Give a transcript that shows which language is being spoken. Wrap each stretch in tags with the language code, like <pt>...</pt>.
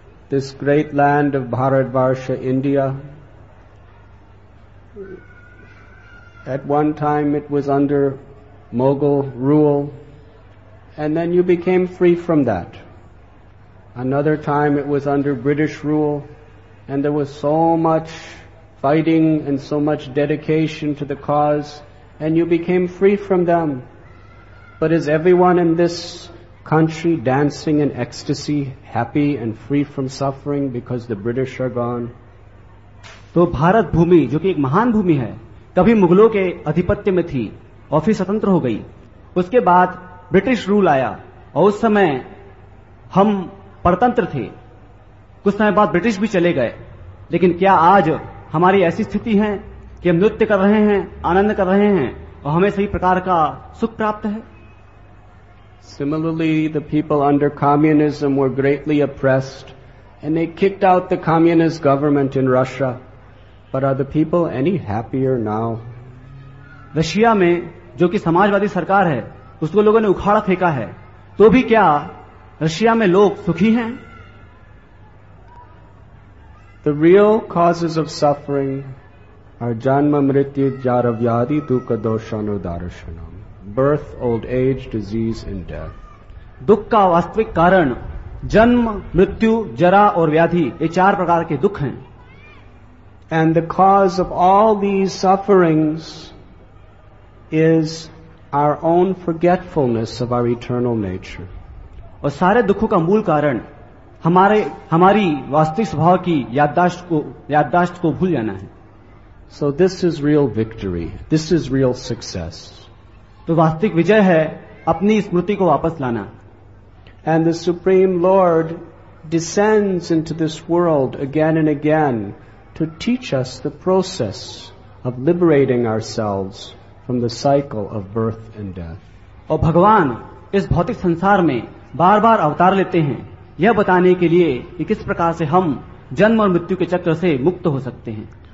<en>This great land of Bharatvarsha, India, at one time it was under Mughal rule, and then you became free from that. Another time it was under British rule, and there was so much fighting and so much dedication to the cause, and you became free from them. But is everyone in this country dancing in ecstasy, happy and free from suffering because the British are gone?</en> <hi>तो भारत भूमि जो कि एक महान भूमि है कभी मुगलों के अधिपत्य में थी ऑफिस स्वतंत्र हो गई। उसके बाद ब्रिटिश रूल आया और उस समय हम परतंत्र थे। कुछ समय बाद ब्रिटिश भी चले गए, लेकिन क्या आज हमारी ऐसी स्थिति है कि हम नृत्य कर रहे हैं, आनंद कर रहे हैं और हमें सही प्रकार का सुख प्राप्त है?</hi> <en>Similarly, the people under communism were greatly oppressed and they kicked out the communist government in Russia. But are the people any happier now?</en> <hi>Russia में जो कि समाजवादी सरकार है उसको लोगों ने उखाड़ा फेंका है, तो भी क्या रशिया में लोग सुखी हैं?</hi> <en>The real causes of suffering are</en> <sa>janma mrityu jara vyadhi dukha doshano darshanam,</sa> <en>birth, old age, disease and death.</en> <hi>दुख का वास्तविक कारण जन्म, मृत्यु, जरा और व्याधि, ये चार प्रकार के दुख हैं।</hi> <en>And the cause of all these sufferings is our own forgetfulness of our eternal nature.</en> <hi>और सारे दुखों का मूल कारण हमारी वास्तविक स्वभाव की याददाश्त को भूल जाना है।</hi> <en>So this is real victory. This is real success.</en> <hi>तो वास्तविक विजय है अपनी स्मृति को वापस लाना।</hi> <en>And the Supreme Lord descends into this world again and again to teach us the process of liberating ourselves from the cycle of birth and death.</en> <hi>और भगवान इस भौतिक संसार में बार बार अवतार लेते हैं यह बताने के लिए कि किस प्रकार से हम जन्म और मृत्यु के चक्र से मुक्त हो सकते हैं।</hi>